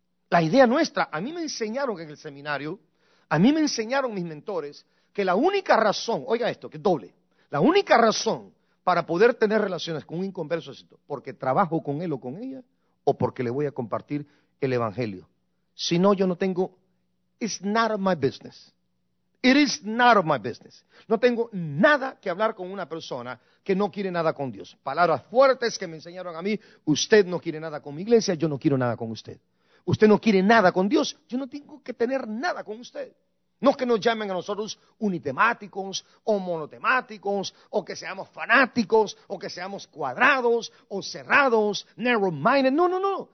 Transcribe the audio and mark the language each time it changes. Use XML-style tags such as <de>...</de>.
<es>La idea nuestra, a mí me enseñaron en el seminario, a mí me enseñaron mis mentores, que la única razón, oiga esto, que es doble, la única razón para poder tener relaciones con un inconverso es esto, porque trabajo con él o con ella, o porque le voy a compartir el evangelio. Si no, yo no tengo,</es> <en>it's not my business. It is not my business.</en> <es>No tengo nada que hablar con una persona que no quiere nada con Dios. Palabras fuertes que me enseñaron a mí, usted no quiere nada con mi iglesia, yo no quiero nada con usted. Usted no quiere nada con Dios, yo no tengo que tener nada con usted. No es que nos llamen a nosotros unitemáticos o monotemáticos, o que seamos fanáticos, o que seamos cuadrados o cerrados, narrow-minded. No, no, no.</es>